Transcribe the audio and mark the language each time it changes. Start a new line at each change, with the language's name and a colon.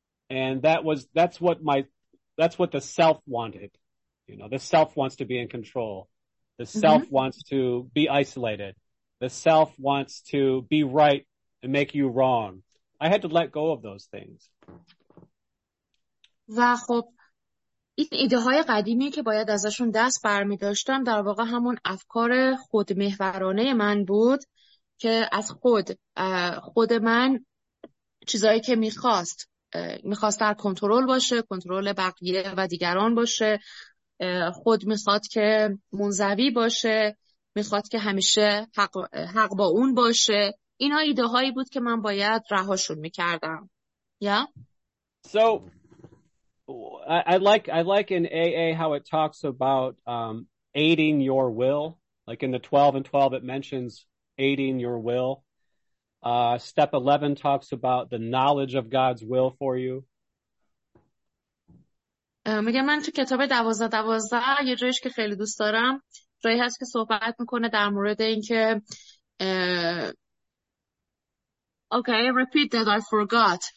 English: And that's what the self wanted. You know, the self wants to be in control. The self mm-hmm. wants to be isolated. The self wants to be right and make you wrong. I had to let go of those things.
Persian: و خب این ایده های قدیمی که باید ازشون دست برمی داشتم در واقع همون افکار خودمحورانه من بود که از خود من چیزایی که میخواست در کنترل باشه، کنترل بقیه و دیگران باشه، خود میخواد که منزوی باشه، میخواد که همیشه حق با اون باشه. اینا ایده هایی بود که من باید رهاشون میکردم.
English: So I like in AA how it talks about aiding your will. Like in the 12 and 12 it mentions aiding your will. Step 11 talks about the knowledge of God's will for you.
Persian: میگم من تو کتاب 12-12 یه جایش که خیلی دوست دارم جایی هست که صحبت میکنه در مورد اینکه
English: okay, repeat that, I forgot.